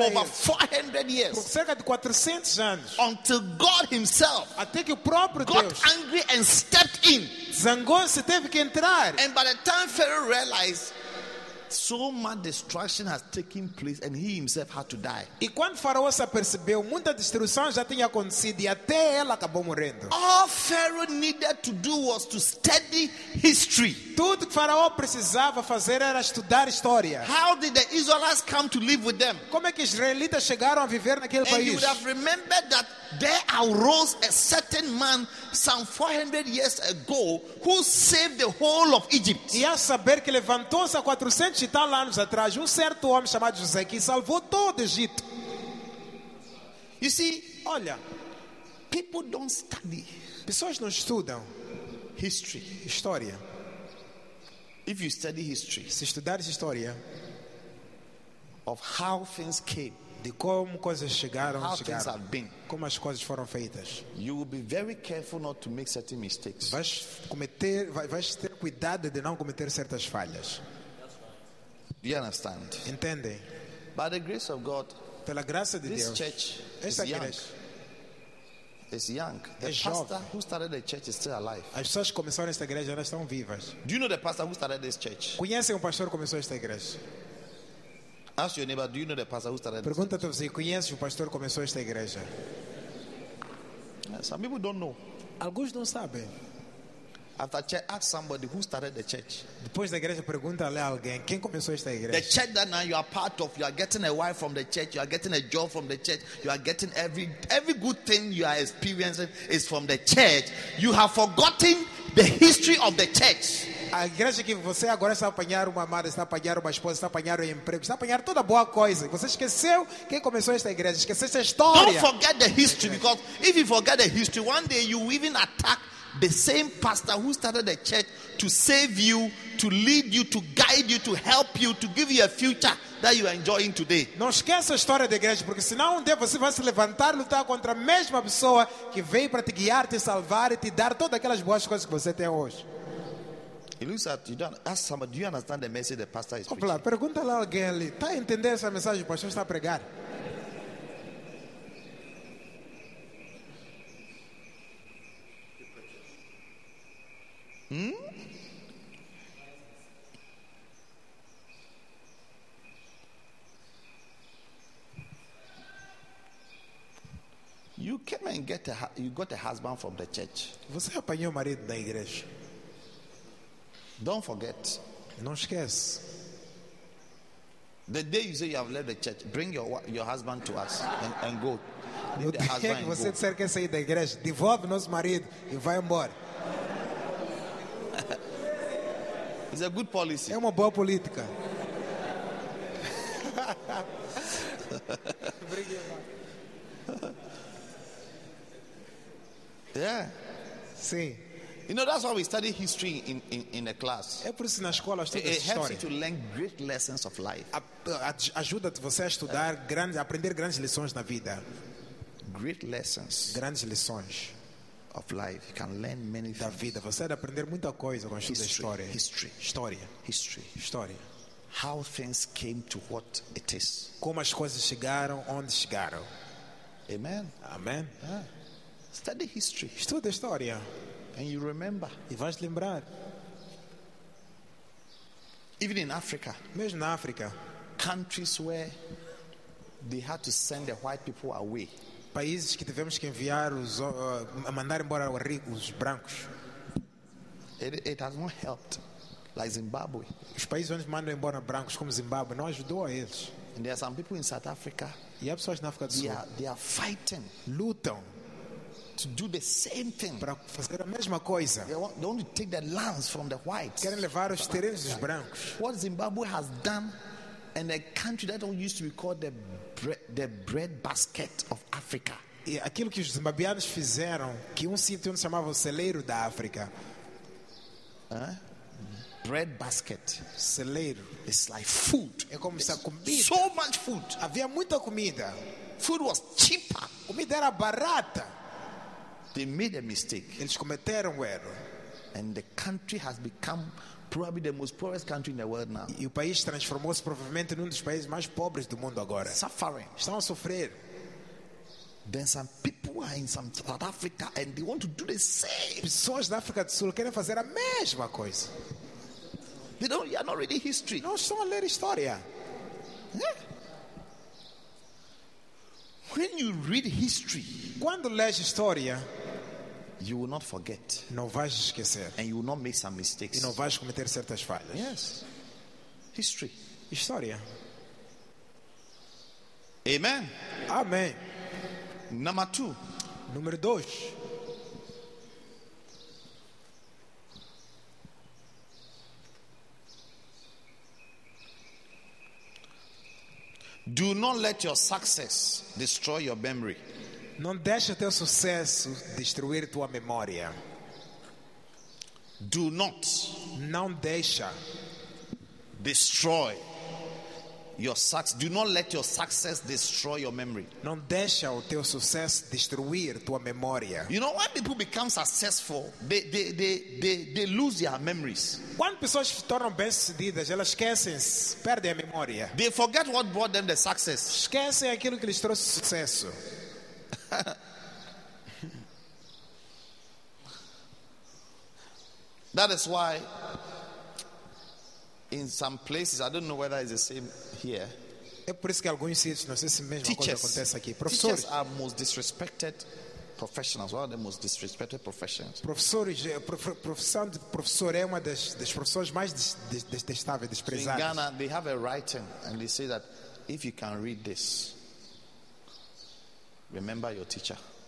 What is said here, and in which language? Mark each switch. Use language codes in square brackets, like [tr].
[pt] eles. [en] For over 400 years. [pt] Por cerca de 400 anos. [en] Until God himself. [pt] Até que o próprio [en] got [pt] Deus. [en] Got angry and stepped in. [pt] Zangou-se, teve que entrar. [en] And by the time Pharaoh realized, so much destruction has taken place and he himself had to die. [pt] E quando Faraó se apercebeu, muita destruição já tinha acontecido e até ele acabou morrendo. [en] All Pharaoh needed to do was to study history. [pt] Tudo que Faraó precisava fazer era estudar história. [en] How did the Israelites come to live with them? [pt] Como é que os israelitas chegaram a viver naquele [en] and [pt] país? [en] And you would have remembered that there arose a certain man some 400 years ago who saved the whole of Egypt. [pt] E a saber que levantou-se há 400 e tal anos atrás certo homem chamado José que salvou todo o Egito. [en] You see, [pt] olha, [en] people don't study. [pt] Pessoas não estudam [en] history, [pt] história. [en] If you study history, [pt] se estudares história [en] of how things came, [pt] de como coisas chegaram, [en] how things have been, [pt] como as coisas foram feitas. [en] You will be very careful not to make certain mistakes. [pt] Vais ter cuidado de não cometer certas falhas. [en] Do you understand? [pt] Entendem? [en] By the grace of God, [pt] pela graça de [en] this [pt] Deus, [en] church [pt] esta [en] is [pt] igreja [en] is young. The [pt] é [en] pastor [pt] jovem. [en] Who started the church is still alive. [pt] As pessoas que começaram esta igreja ainda estão vivas. [en] Do you know the pastor who started this church? [pt] Conhecem um pastor que começou esta igreja? [en] Ask your neighbor, do you know the pastor who started? [pt] Pergunta a você, conhece o pastor que começou esta igreja? [en] Some people don't know. [pt] Alguns não sabem. [en] After church, ask somebody who started the church. [pt] Depois da igreja, pergunta a alguém quem começou esta igreja. [en] The church that now you are part of, you are getting a wife from the church, you are getting a job from the church, you are getting every good thing you are experiencing is from the church. You have forgotten the history of the church. [pt] A igreja que você agora está a apanhar uma amada, está a apanhar uma esposa, está a apanhar um emprego, está a apanhar toda boa coisa. Você esqueceu quem começou esta igreja, esqueceu essa história. [en] Don't forget the history, because if you forget the history, one day you will even attack the same pastor who started the church to save you, to lead you, to guide you, to help you, to give you a future that you are enjoying today. [pt] Não esqueça a história da igreja, porque senão um dia você vai se levantar e lutar contra a mesma pessoa que veio para te guiar, te salvar e te dar todas aquelas boas coisas que você tem hoje. [en] He looks at you, don't ask somebody, do you understand the message the pastor is opla, preaching? [pt] Pergunta lá alguém ali, está a entender essa mensagem que o pastor está a pregar? [en] You came and get a, you got a husband from the church. [pt] Você apanhou o marido da igreja. [en] Don't forget. [pt] Não esquece. [en] The day you say you have left the church, bring your husband to us and go. [pt] No dia que você disser que sair da igreja, devolve nosso marido e vai embora. [en] It's a good policy. [pt] É uma boa política. [en] Yeah. [pt] Sim. [en] You know, that's why we study history in the class. [pt] É por isso na escola estudamos história. [en] It helps you to learn great lessons of life. [pt] Ajuda-te você a estudar grandes, aprender grandes lições na vida. [en] Great lessons. [pt] Grandes lições [en] of life. You can learn many [pt] da vida. Você deve aprender muita coisa com a história. [en] History. [pt] História. [en] History. [pt] História. História. [en] How things came to what it is. [pt] Como as coisas chegaram onde chegaram. [en] Amen. [pt] Amen. [en] Yeah. Study history. [pt] Estuda história. [en] And you remember. [pt] E vais lembrar. [en] Even in Africa. [pt] Mesmo na África. [en] Countries where they had to send the white people away. [pt] Países que tivemos que enviar os mandar embora os brancos. [en] It has not helped. Like Zimbabwe. [pt] Os países onde mandam embora brancos como Zimbabwe não ajudou a eles. [en] And there are some people in South Africa. [pt] E há pessoas na África do Sul. [en] They are fighting. [pt] Lutam. [en] To do the same thing. [pt] Para fazer a mesma coisa. [en] They want to take the lands from the whites. [pt] Querem levar os terrenos dos brancos. [en] What Zimbabwe has done in a country that used to be called the bread basket of Africa. [pt] E aquilo que os zimbabianos fizeram, que sítio onde chamava o celeiro da África. [en] Bread basket. [pt] Celeiro. [en] It's like food. [pt] É como se a comida. [en] So much food. [pt] Havia muita comida. [en] Food was cheaper. [pt] Comida era barata. [en] They made a mistake. [pt] Eles cometeram um erro. [en] And the country has become probably the most poorest country in the world now. [pt] E o país transformou-se provavelmente num dos países mais pobres do mundo agora. [en] Suffering. [pt] Estão a sofrer. [en] Then some people are in some South Africa and they want to do the same. [pt] Pessoas da África do Sul querem fazer a mesma coisa. [en] They don't. You are not reading history. [pt] Não estão a ler história. [en] Yeah. When you read history, [pt] quando lês história, [en] you will not forget. [pt] Não vais esquecer. [en] And you will not make some mistakes. [pt] E não vais cometer certas falhas. [en] Yes. History. [pt] História. [en] Amen. [pt] Amém. [en] Number two. [pt] Número dois. [en] Do not let your success destroy your memory. [pt] Não deixe teu sucesso destruir tua memória. [en] Do not. [pt] Não deixa. [en] Destroy your success. Do not let your success destroy your memory. [pt] Não deixa o teu sucesso destruir tua memória. [en] You know, when people become successful, they lose their memories. [pt] Quando pessoas se tornam bem-sucedidas, elas esquecem, perdem a memória. [en] They forget what brought them the success. [pt] Esquecem aquilo que lhes trouxe sucesso. [en] That is why in some places, I don't know whether it's the same here. [pt] É por isso que alguns sítios, não sei se mesmo [en] teachers, [pt] coisa acontece aqui. [en] Professores are most disrespected professionals, one of the most disrespected professions. [pt] Professores, profissão de professor é uma das profissões mais detestáveis, desprezadas. [en] In Ghana, they have a writing and they say that if you can read this, remember your teacher.